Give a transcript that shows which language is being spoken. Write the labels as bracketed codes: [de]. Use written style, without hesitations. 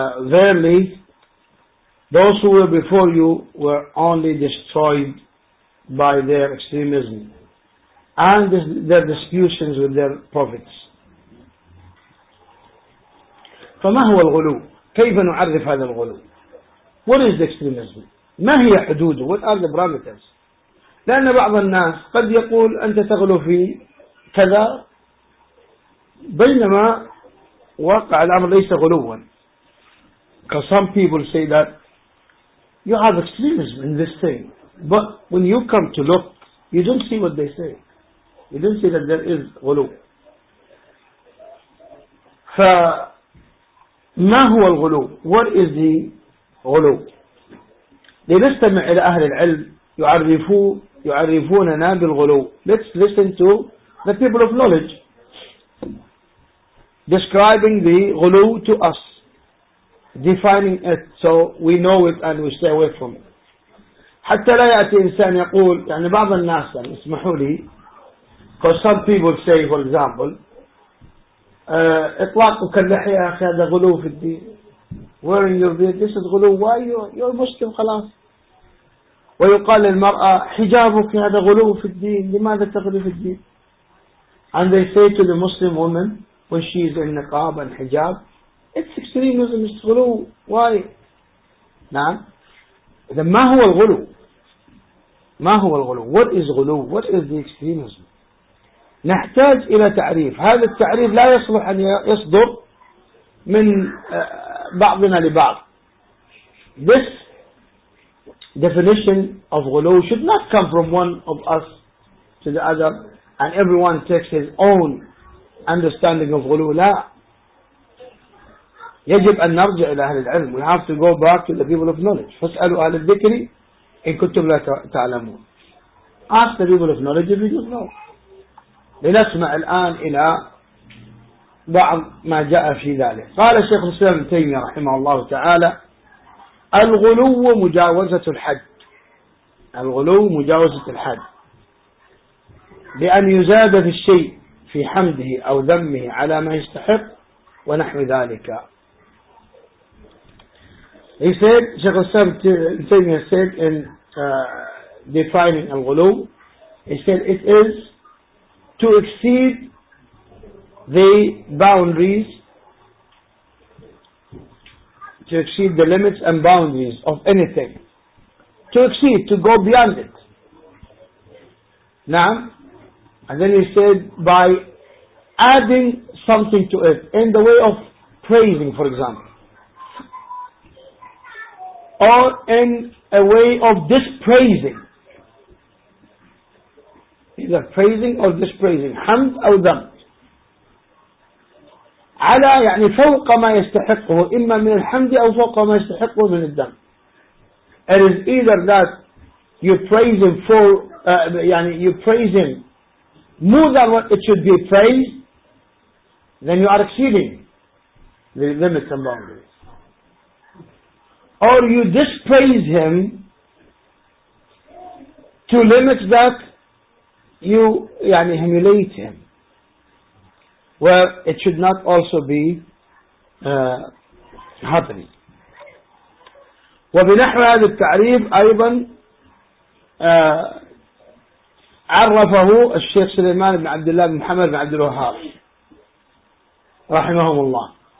[en] verily those who were before you were only destroyed by their extremism and their disputations with their prophets. [ar] فما هو الغلو؟ كيف نعرف هذا الغلو؟ [en] What is the extremism؟ [ar] ما هي حدوده؟ [en] What are the parameters؟ [ar] لأن بعض الناس قد يقول أنت تغلو في كذا، بينما واقع الأمر ليس غلوا. [en] Because some people say that you have extremism in this thing, but when you come to look, you don't see what they say. You don't see that there is غلو. [ar] فما هو الغلو؟ [en] What is the [ar] غلو؟ لنستمع إلى أهل العلم يعرفوننا بالغلو. [en] Let's listen to the people of knowledge describing the غلو to us, defining it so we know it and we stay away from it. [ar] حتى لا يأتي إنسان يقول، يعني بعض الناس اسمحوا لي، [en] because some people say for example [ar] إطلاقك اللحية يا أخي هذا غلو في الدين. [en] Wearing your beard, this is غلو. Why you're Muslim خلاص. [ar] ويقال للمرأة حجابك هذا غلو في الدين، لماذا تغلو في الدين؟ [en] And they say to the Muslim woman when she is in niqab and hijab, it's extremism, it's غلو. Why? نعم. [ar] إذا ما هو الغلو؟ ما هو الغلو؟ [en] What is [ar] غلو؟ [en] What is the extremism؟ [ar] نحتاج إلى تعريف. هذا التعريف لا يصلح أن يصدر من بعضنا لبعض. [en] This definition of غلو should not come from one of us to the other, and everyone takes his own understanding of غلو. لا. [ar] يجب أن نرجع إلى أهل العلم. [en] We have to go back to the people of knowledge. [ar] فاسألوا أهل الذكر إن كنتم لا تعلمون. [en] Ask the people of knowledge if you don't know. [ar] لنسمع الآن إلى بعض ما جاء في ذلك. قال الشيخ الإسلام ابن تيمية رحمه الله تعالى: الغلو مجاوزة الحد. الغلو مجاوزة الحد، لأن يزاد في الشيء في حمده أو ذمه على ما يستحق ونحو ذلك. [en] He said, شيخ الإسلام ابن تيمية said in defining الغلو, he said it is to exceed the boundaries, to exceed the limits and boundaries of anything, to exceed, to go beyond it. Now, and then he said, by adding something to it in the way of praising, for example, or in a way of dispraising. Either praising or dispraising, [ar] حمد أو ذم، على يعني فوق ما يستحقه، إما من الحمد أو فوق ما يستحقه من الذم. [en] It is either that you praise him for يعني you praise him more than what it should be praised, then you are exceeding the limits and boundaries. Or you dispraise him to limits that you يعني humiliate him, where it should not also be happening. [ar] وبنحو هذا التعريف أيضا عرفه الشيخ سليمان بن عبد الله بن محمد بن عبد الوهاب رحمهم الله.